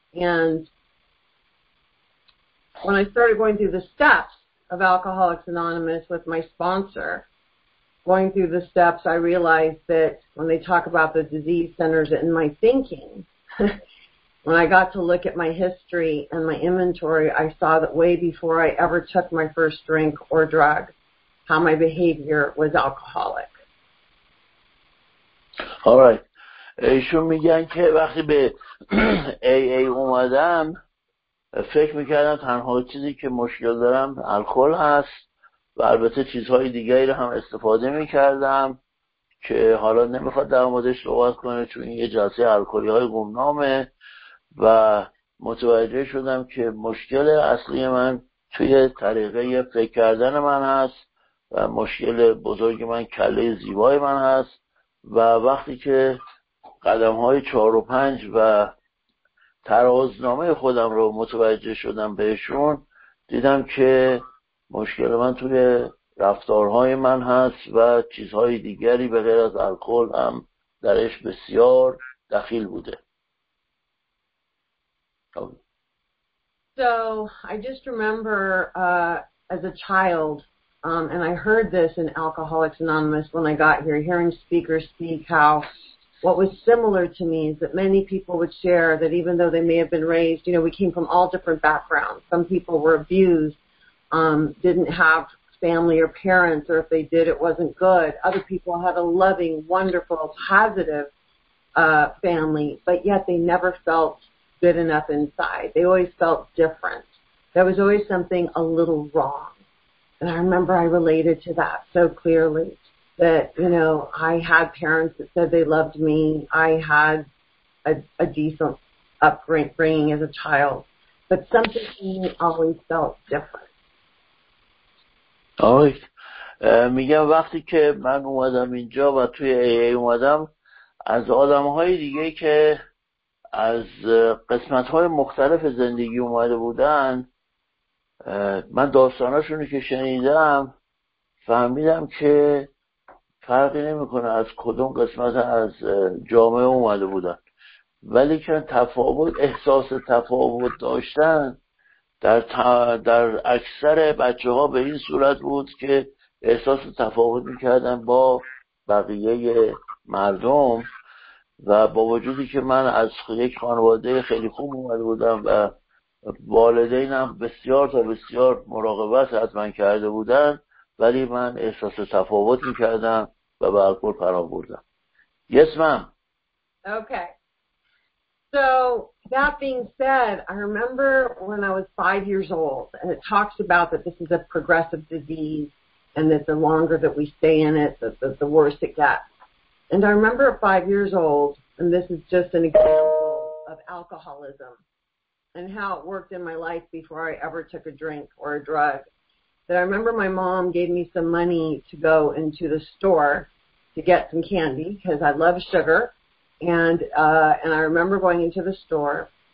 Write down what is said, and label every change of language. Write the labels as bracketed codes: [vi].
[en] And when I started going through the steps of Alcoholics Anonymous with my sponsor, going through the steps, I realized that when they talk about the disease centers in my thinking, when I got to look at my history and my inventory, I saw that way before I ever took my first drink or drug, how my behavior was alcoholic. All right. [fa] ایشون میگن که وقتی به AA اومدم فکر میکردم تنها چیزی که مشکل دارم الکل هست و البته چیزهای دیگری رو هم استفاده میکردم که حالا نمیخواد در موردش صحبت کنه چون این یه جلسه الکلی های گمنامه و متوجه شدم که مشکل اصلی من توی طریقه فکر کردن من هست و مشکل بزرگ من کله زیبای من هست و وقتی که قدم های 4 و 5 و ترازنامه خودم رو متوجه شدم بهشون، دیدم که مشکل من توی رفتارهای من هست و چیزهای دیگری به غیر از الکل هم درش بسیار دخیل بوده. [en] So I just remember as a child, and I heard this in Alcoholics Anonymous when I got here, hearing speakers speak how what was similar to me is that many people would share that even though they may have been raised, you know, we came from all different backgrounds. Some people were abused, didn't have family or parents, or if they did, it wasn't good. Other people had a loving, wonderful, positive family, but yet they never felt good enough inside. They always felt different. There was always something a little wrong. And I remember I related to that so clearly. That, you know, I had parents that said they loved me. I had a decent upbringing as a child. But something in me always felt different. [fa] آره. میگم وقتی که من اومدم اینجا و توی AA اومدم، از آدم‌های دیگه که از قسمت‌های مختلف زندگی اومده بودن، من داستاناشون رو که شنیدم، فهمیدم که فرقی نمیکنه از کدوم قسمت از جامعه اومده بودن، ولی که تفاوت، احساس تفاوت داشتن در اکثر بچه ها به این صورت بود که احساس تفاوت میکردن با بقیه مردم و با وجودی که من از یک خانواده خیلی خوب اومده بودم و والدینم بسیار تا بسیار مراقبت از من کرده بودن، ولی من احساس تفاوت میکردم و به الکول پرام بردم. [en] Yes, ma'am. Okay. So, that being said, I remember when I was 5 years old, and it talks about that this is a progressive disease, and that the longer that we stay in it, the worse it gets. And I remember at 5 years old, and this is just an example of alcoholism, and how it worked in my life before I ever took a drink or a drug, that I remember my mom gave me some money to go into the store to get some candy because I love sugar. And I remember going into the store